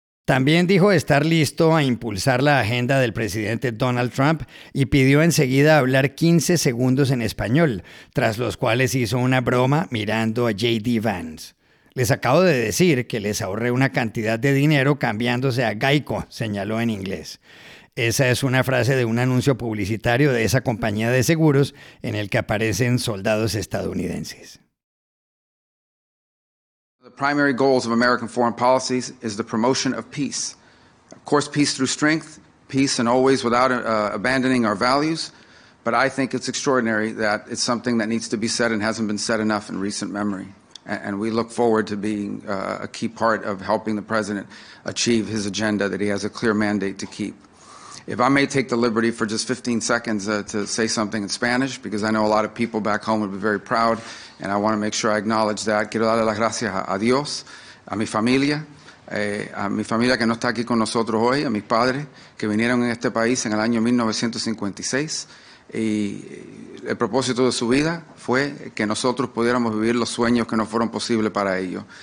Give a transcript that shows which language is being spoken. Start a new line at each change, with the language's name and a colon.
Spanish: También dijo estar listo a impulsar la agenda del presidente Donald Trump y pidió enseguida hablar 15 segundos en español, tras los cuales hizo una broma mirando a J.D. Vance. Les acabo de decir que les ahorré una cantidad de dinero cambiándose a Geico, señaló en inglés. Esa es una frase de un anuncio publicitario de esa compañía de seguros en el que aparecen soldados estadounidenses.
English: The primary goals of American foreign policies is the promotion of peace. Of course, peace through strength, peace and always without abandoning our values. But I think it's extraordinary that it's something that needs to be said and hasn't been said enough in recent memory. And we look forward to being a key part of helping the president achieve his agenda that he has a clear mandate to keep. If I may take the liberty for just 15 seconds to say something in Spanish, because I know a lot of people back home would be very proud, and I want to make sure I acknowledge that.
Spanish: Quiero darle las gracias a Dios, a mi familia que no está aquí con nosotros hoy, a mis padres que vinieron en este país en el año 1956. Y el propósito de su vida fue que nosotros pudiéramos vivir los sueños que no fueron posibles para ellos.